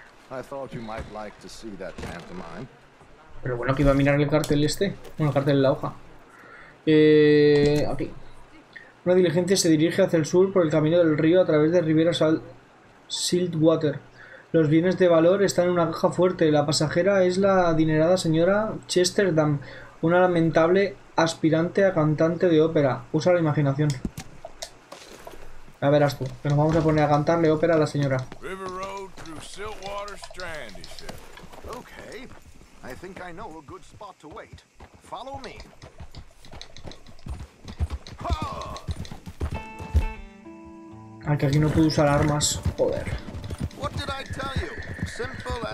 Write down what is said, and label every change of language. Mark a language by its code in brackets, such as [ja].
[en] I thought you might like to see that pantomime. [es] Pero bueno, que iba a mirar el cartel este. Bueno, el cartel de la hoja. Aquí. Una diligencia se dirige hacia el sur por el camino del río a través de Riviera Siltwater. Los bienes de valor están en una caja fuerte. La pasajera es la adinerada señora Chesterdam, una lamentable aspirante a cantante de ópera. Usa la imaginación. Ya verás tú, que nos vamos a poner a cantarle ópera a la señora. [en] Siltwater Strand, he said. Okay. I think I know a good spot to wait. Follow me. Ha! [es] Ah, que aquí no puedo usar armas. Joder. [en] What did I tell you? Simple as...